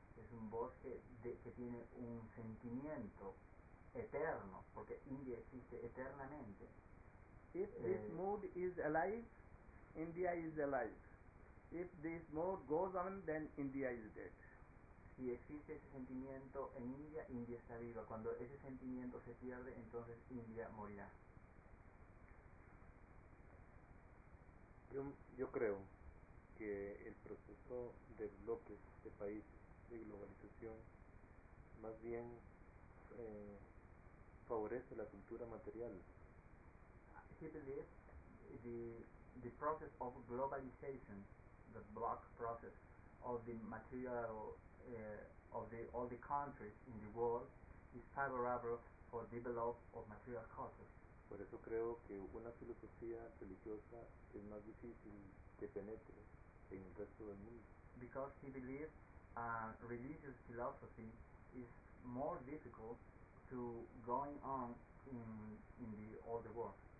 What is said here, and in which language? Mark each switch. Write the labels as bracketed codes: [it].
[es] Es un bosque que tiene un sentimiento eterno, porque India existe eternamente. [en] If this mood is alive, India is alive. If this mood goes on, then India is dead. [es] Si existe ese sentimiento en India, India está viva. Cuando ese sentimiento se pierde, entonces India morirá. Yo creo que el proceso de bloques de países de globalización más bien favorece la cultura material. [en] He believes the process of globalization, the block process of the material of the all the countries in the world is favorable for develop of material cultures. [es] Por eso creo que una filosofía religiosa es más difícil que penetre en el resto del mundo. [en] Because he believes religious philosophy is more difficult to going on in the all the world.